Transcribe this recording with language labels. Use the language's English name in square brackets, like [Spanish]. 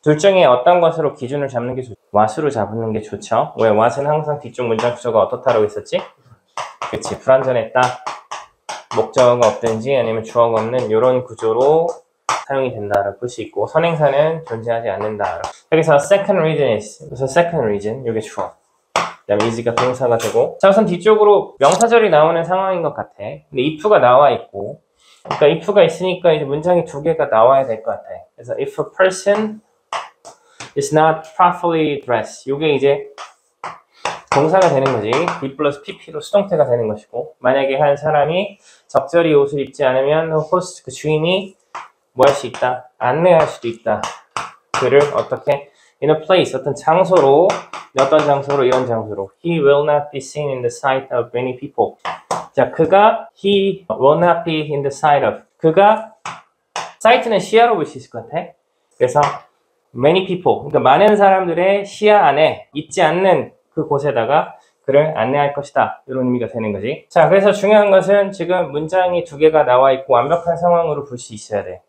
[Korean] 둘 중에 어떤 것으로 기준을 잡는 게 좋죠? what으로 잡는 게 좋죠? 왜? what은 항상 뒤쪽 문장 구조가 어떻다라고 했었지? 그치. 불완전했다. 목적어가 없든지 아니면 주어가 없는 이런 구조로 사용이 된다라고 볼수 있고, 선행사는 존재하지 않는다. [English] 여기서 second reason is. 우선 second reason. [Korean] 이게 주어. 그다음에 is가 동사가 되고. 자, 우선 뒤쪽으로 명사절이 나오는 상황인 것 같아. 근데 if가 나와 있고, 그러니까 if가 있으니까 이제 문장이 두 개가 나와야 될것 같아. [English] 그래서 if a person is not properly dressed, [Korean] 이게 이제 동사가 되는 거지. be 플러스 pp로 수동태가 되는 것이고, 만약에 한 사람이 적절히 옷을 입지 않으면 호스트, 그 주인이 뭐 할 수 있다? 안내할 수도 있다. 그를 어떻게? [English] in a place, [Korean] 어떤 장소로, 어떤 장소로, 이런 장소로. [English] he will not be seen in the sight of many people. [Korean] 자, 그가 [English] he will not be in the sight of. [Korean] 그가 사이트는 시야로 볼 수 있을 것 같아. 그래서 [English] many people, [Korean] 그러니까 많은 사람들의 시야 안에 있지 않는 그 곳에다가 그를 안내할 것이다. 이런 의미가 되는 거지. 자, 그래서 중요한 것은 지금 문장이 두 개가 나와 있고 완벽한 상황으로 볼 수 있어야 돼.